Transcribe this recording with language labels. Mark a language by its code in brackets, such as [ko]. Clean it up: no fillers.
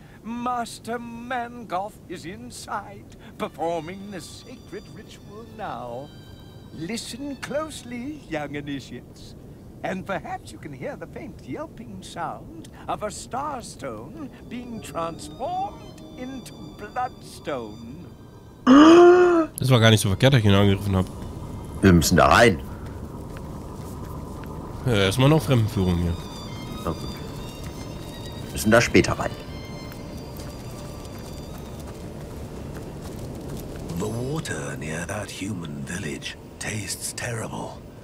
[en] Master Mangoth is inside, performing the sacred ritual now. Listen closely, young initiates, and perhaps you can hear the faint yelping sound of a starstone being transformed into bloodstone. [de] Das war gar nicht so verkehrt, dass ich ihn angegriffen habe. Wir müssen da rein. Ja, erstmal noch Fremdenführung hier. Okay. Wir müssen da später rein. [en] The water near that human village tastes terrible.